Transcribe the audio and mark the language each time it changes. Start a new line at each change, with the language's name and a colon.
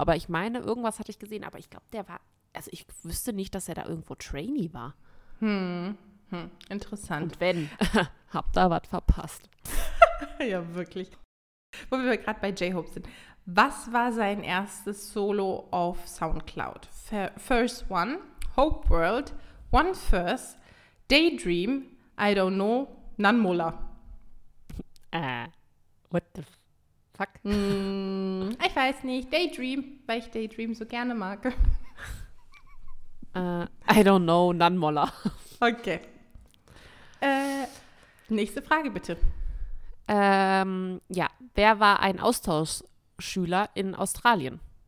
German: Aber ich meine, irgendwas hatte ich gesehen. Aber ich glaube, ich wüsste nicht, dass er da irgendwo Trainee war. Interessant. Und wenn, hab da was verpasst. Ja, wirklich. Wo wir gerade bei J-Hope sind. Was war sein erstes Solo auf SoundCloud?
English: First One, Hope World, One First, Daydream, I don't know, Nanmola. What the fuck?
German: Ich weiß nicht, Daydream, weil ich Daydream so gerne mag.
English: I don't know, Nanmola.
German: Okay. Nächste Frage, bitte. Wer war ein Austauschschüler in Australien?